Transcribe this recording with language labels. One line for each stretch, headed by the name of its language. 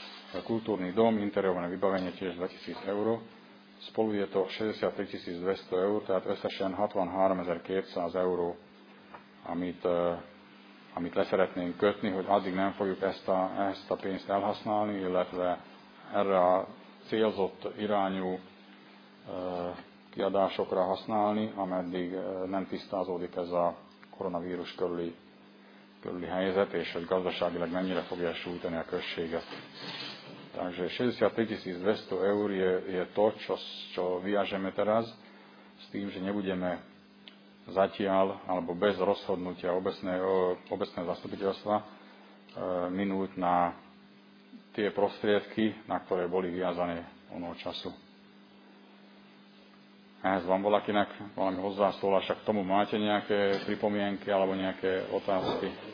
Slovak: A kultúrny dom, interiérové vybavenie tiež 2 000 euró. Spolu je to 63 200 eur,
Hungarian: tehát összesen 63 200 euró, amit le szeretnénk kötni, hogy addig nem fogjuk ezt a pénzt elhasználni, illetve erre a célzott irányú kiadásokra használni, ameddig nem tisztázódik ez a koronavírus körüli helyzet, és hogy gazdaságilag mennyire fogja sújtani a községet.
Slovak: Takže 63 200 eur je to, čo viažeme teraz, s tým, že nebudeme zatiaľ, alebo bez rozhodnutia obecného zastupiteľstva minúť na tie prostriedky, na ktoré boli viazané onoho času.
Hungarian: Ehhez van valakinek valami hozzászólása,
Slovak: k tomu máte nejaké pripomienky alebo nejaké otázky?